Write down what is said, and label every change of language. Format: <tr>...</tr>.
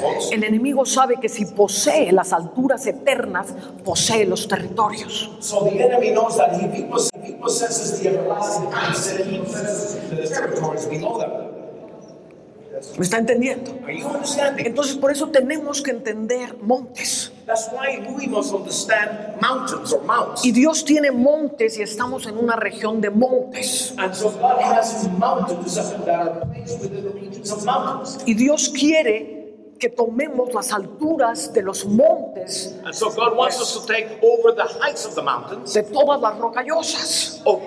<es>El enemigo sabe que si posee las alturas eternas, posee los territorios.</es> <en>So the enemy knows that if he possesses the everlasting, he possesses the territories below them.</en> <es>¿Me está entendiendo? Entonces por eso tenemos que entender montes.</es> <en>That's why we must understand mountains or mounts.</en> <es>Y Dios tiene montes y estamos en una región de montes.</es> <en>And so God has mountains that are placed within the regions of mountains.</en> <es>Y Dios quiere que tomemos las alturas de los montes.</es> <en>And so God wants us to take over the heights of the mountains.</en> <es>De todas las rocallosas.</es>